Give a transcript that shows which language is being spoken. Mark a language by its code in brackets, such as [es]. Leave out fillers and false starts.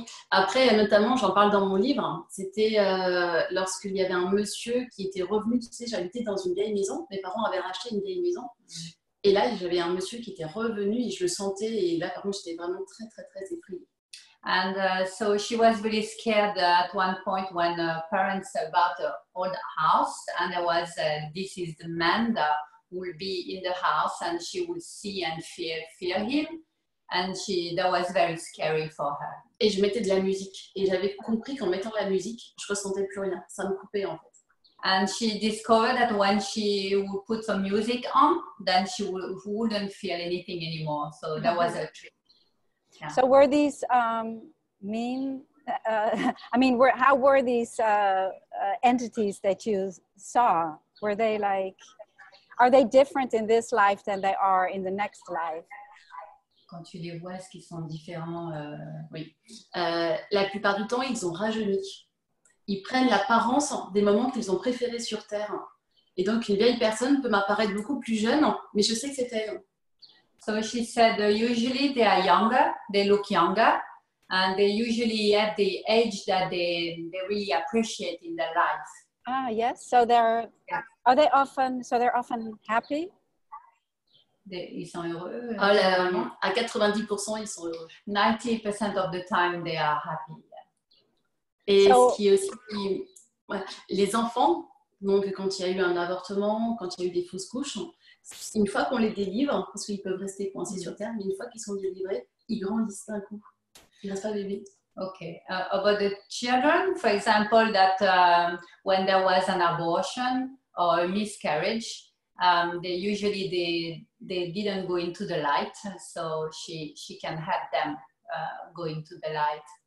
[fr] après, notamment, j'en parle dans mon livre, c'était lorsqu'il y avait un monsieur qui était revenu, tu sais, j'habitais dans une vieille maison, mes parents avaient racheté une vieille maison, et là, j'avais un monsieur qui était revenu, et je le sentais, et là, par contre, j'étais vraiment très, très, très effrayée. [en] And so she was really scared at one point when her parents bought an old house, and there was, this is the man that would be in the house, and she would see and fear him, and that was very scary for her. [fr] Et je mettais de la musique, et j'avais compris qu'en mettant la musique, je ressentais plus rien. Ça me coupait en fait. [en] And she discovered that when she would put some music on, then she wouldn't feel anything anymore. So that was a trick. Yeah. So were these mean? How were these entities that you saw? Were they like? Are they different in this life than they are in the next life? [fr] Quand tu les vois, est-ce qu'ils sont différents? Oui. La plupart du temps, ils ont rajeuni. Ils prennent l'apparence des moments qu'ils ont préférés sur Terre. Et donc, une vieille personne peut m'apparaître beaucoup plus jeune, mais je sais que c'était elle. [en] So she said, usually they are younger, they look younger, and they usually have the age that they really appreciate in their life. Ah, yes. So they're... Yeah. Are they often, so they're often happy? [fr] Ils sont heureux. À 90%, ils sont heureux. [en] 90% of the time, they are happy. [fr] Et so, ce qui est aussi, les enfants, donc quand il y a eu un avortement, quand il y a eu des fausses couches, une fois qu'on les délivre, parce qu'ils peuvent rester coincés sur Terre, mais une fois qu'ils sont délivrés, ils grandissent d'un coup. Ils ne restent pas bébés. [en] Okay, about the children, for example, that when there was an abortion, or a miscarriage, they usually didn't go into the light, so she can help them go into the light.